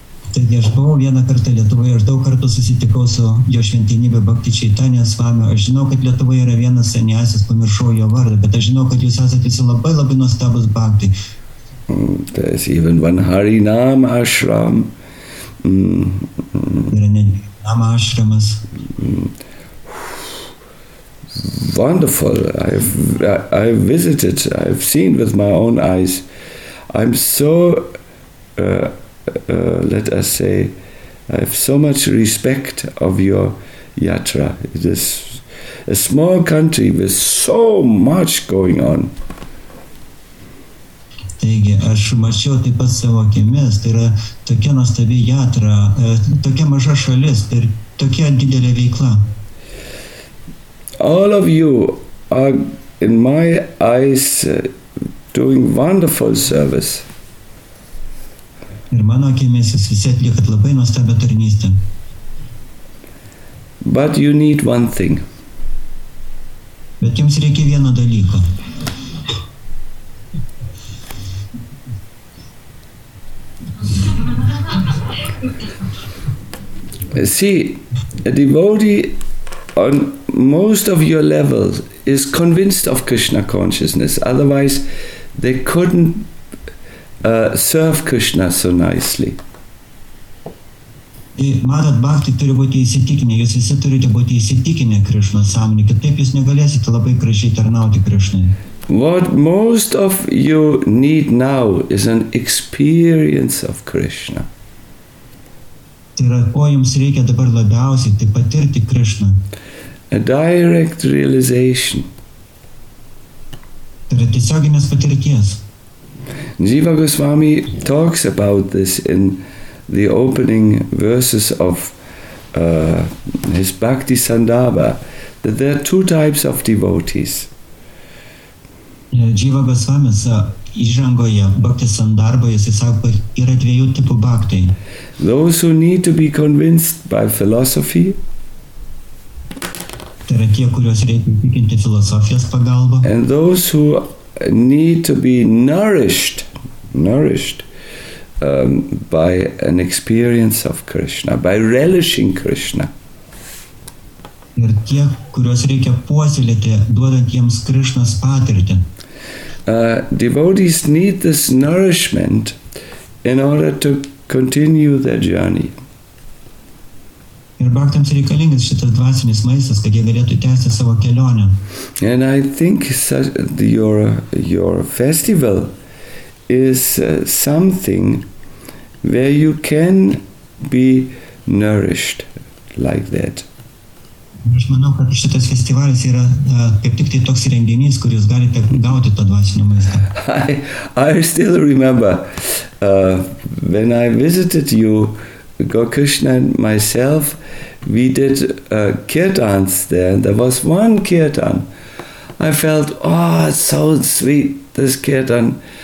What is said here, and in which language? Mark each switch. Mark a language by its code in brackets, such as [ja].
[lt] Taigi aš buvau vieną kartą Lietuvoje, aš daug kartų susitikau su jo šventinybė Bhakti Chaitanya Swami. Aš žinau, kad Lietuvoje yra vienas senjasis, pamiršau jo vardą, bet aš žinau, kad jūs esate visi labai labai nuostabus Bhakti. [en] There's even one Harinam ashram. [lt] Yra ne Harinam ashramas. [en] Wonderful. I've visited, I've seen with my own eyes. I'm so, let us say, I have so much respect of your yatra. It is a small country with so much going on. [lt] Taigi, aš mačiau taip pat savo akimis, tai yra tokia nuostabi yatra, tokia maža šalis ir tokia didelė veikla. [en] All of you are, in my eyes, doing wonderful service. [lt] Ir mano akimis jūs visi atliekat labai nuostabią tarnystę. [en] But you need one thing. [lt] Bet jums reikia vieno dalyko. [en] See, a devotee on most of your level is convinced of Krishna consciousness, otherwise they couldn't serve Krishna so nicely. [lt] Matot, Bhakti turi būti įsitikinę, jūs visi turite būti įsitikinę Krishna sąmonį, kad taip jūs negalėsite labai gražiai tarnauti Krishnai. [en] What most of you need now is an experience of Krishna. [lt] Tai yra, ko jums reikia dabar labiausiai, tai patirti Krishna. [en] A direct realization. [lt] Tai yra tiesioginės patirties. [en] Jiva Goswami talks about this in the opening verses of his Bhakti Sandarbha, that there are 2 types of devotees. [lt] Jiva Goswami įžangoje Bhakti Sandarbhoje jis sako, yra 2 tipų bhakti. [en] Those who need to be convinced by philosophy. [lt] Tai yra tie, kuriuos reikia įtikinti filosofijos pagalba. [en] And those who need to be nourished nourished by an experience of Krishna, by relishing Krishna. [lt] Ir tie, kuriuos reikia puoselėti, duodant jiems Krishnas patirtį. [en] Devotees need this nourishment in order to continue their journey. [lt] Ir bhaktams reikalingas šitas dvasinis maistas, kad jie galėtų tęsti savo kelionę. [en] And I think your festival is something where you can be nourished like that. [lt] Aš manau, kad šitas festivalis yra kaip tik tai toks renginys, kur jūs galite gauti tą dvasinį maistą. [en] I still remember when I visited you, Gokrishna and myself, we did kirtans there. There was one kirtan. I felt, oh, it's so sweet, this kirtan.